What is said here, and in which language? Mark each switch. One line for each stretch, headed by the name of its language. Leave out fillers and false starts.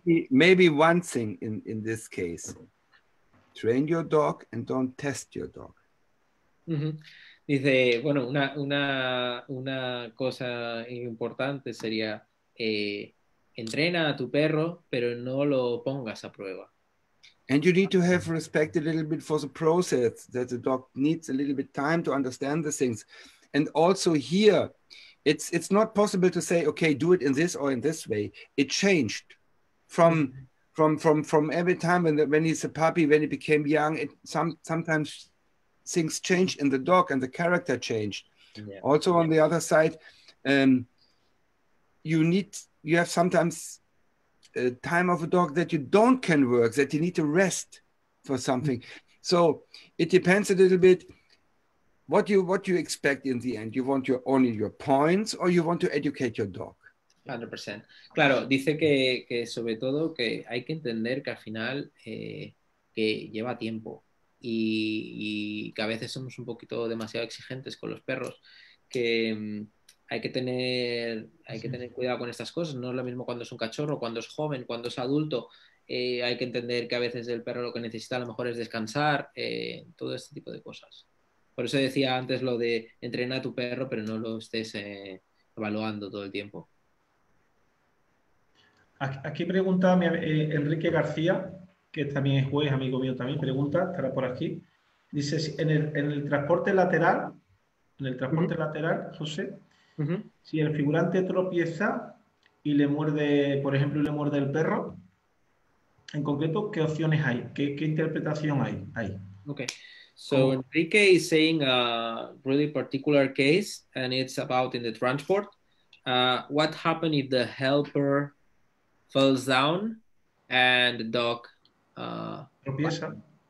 English: Maybe one thing in this case. Train your dog and don't test your dog. Okay.
Spanish: Dice, bueno, una cosa importante sería, entrena a tu perro, pero no lo pongas a prueba.
English: And you need to have respect a little bit for the process, that the dog needs a little bit time to understand the things. And also here, it's not possible to say, okay, do it in this or in this way. It changed from every time when he's a puppy, when he became young, sometimes things change in the dog and the character changed. Yeah. Also on the other side, you have sometimes a time of a dog that you don't can work, that you need to rest for something. So it depends a little bit what you expect in the end. You want your only your points or you want to educate your dog. 100%.
Spanish: Claro, dice que sobre todo que hay que entender que al final que lleva tiempo y que a veces somos un poquito demasiado exigentes con los perros, que hay que tener cuidado con estas cosas. No es lo mismo cuando es un cachorro, cuando es joven, cuando es adulto. Hay que entender que a veces el perro lo que necesita a lo mejor es descansar, todo este tipo de cosas. Por eso decía antes lo de entrena a tu perro, pero no lo estés evaluando todo el tiempo. Aquí pregunta Enrique García, que también es juez, amigo mío también, pregunta, estará por aquí. Dice, en el transporte lateral, en el transporte uh-huh. lateral, José, uh-huh. si el figurante tropieza y le muerde, por ejemplo, le muerde el perro, en concreto, ¿qué opciones hay? ¿Qué interpretación hay ahí?
English: Ok. So, Enrique is saying a really particular case, and it's about in the transport. What happened if the helper falls down and the dog
Spanish: tropieza.